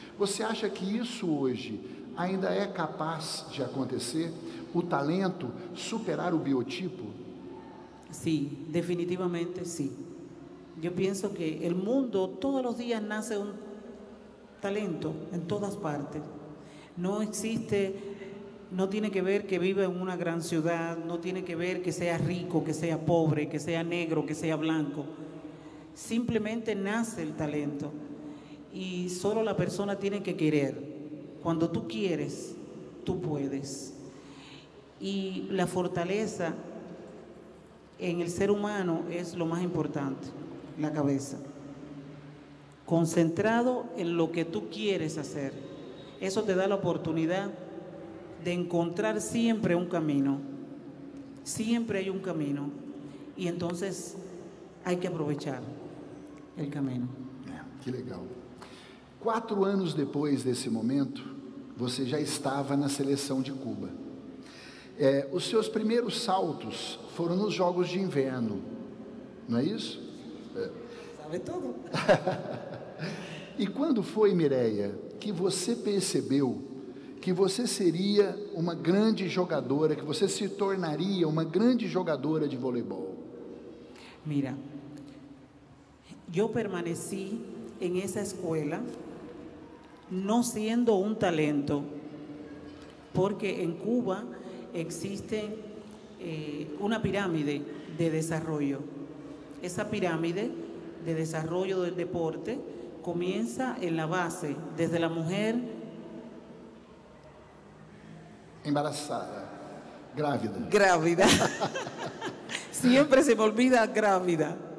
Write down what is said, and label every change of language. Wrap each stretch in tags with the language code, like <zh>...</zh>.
<pt>Você acha que isso hoje ainda é capaz de acontecer? O talento superar o biotipo? Sim, definitivamente sim. Eu penso que o mundo, todos os dias, nasce talento</pt> <es>en todas partes. No existe, no tiene que ver que viva en una gran ciudad, no tiene que ver que sea rico, que sea pobre, que sea negro, que sea blanco. Simplemente nace el talento y solo la persona tiene que querer. Cuando tú quieres, tú puedes. Y la fortaleza en el ser humano es lo más importante, la cabeza. Concentrado en lo que tú quieres hacer. Eso te da la oportunidad de encontrar siempre un camino. Siempre hay un camino. Y entonces hay que aprovechar el camino.</es> <pt>Que legal. 4 anos depois desse momento, você já estava na seleção de Cuba. Os seus primeiros saltos foram nos Jogos de Inverno. Não é isso? Sabe tudo. E quando foi, Mireya, que você percebeu que você seria uma grande jogadora, que você se tornaria uma grande jogadora de voleibol? Mira, eu permaneci em essa escola não sendo um talento, porque em Cuba existe uma pirâmide de desarrollo.</pt> <es>Essa pirâmide de desarrollo del deporte comienza en la base, desde la mujer embarazada, grávida. Grávida. Siempre se me olvida grávida.</es>